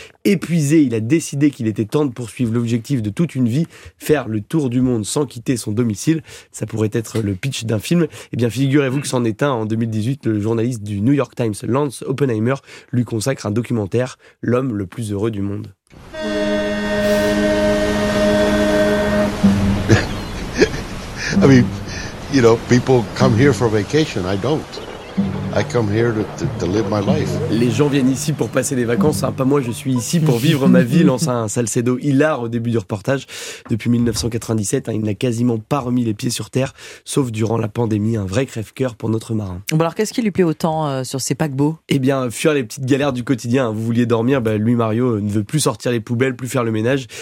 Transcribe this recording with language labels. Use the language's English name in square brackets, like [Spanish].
[French] Épuisé, il a décidé qu'il était temps de poursuivre l'objectif de toute une vie, faire le tour du monde sans quitter son domicile. Ça pourrait être le pitch d'un film. Eh bien, figurez-vous que c'en est un. En 2018, le journaliste du New York Times, Lance Oppenheimer, lui consacre un documentaire, L'homme le plus heureux du monde. [English] I mean, you know, people come here for vacation, I don't. I come here to live my life. [French] Les gens viennent ici pour passer des vacances, pas moi, je suis ici pour vivre ma vie, lance un Salcedo hilar au début du reportage. Depuis 1997, il n'a quasiment pas remis les pieds sur terre, sauf durant la pandémie, un vrai crève-cœur pour notre marin. Bon alors, qu'est-ce qui lui plaît autant sur ces paquebots ? Eh bien, fuir les petites galères du quotidien. Vous vouliez dormir, lui, Mario, ne veut plus sortir les poubelles, plus faire le ménage.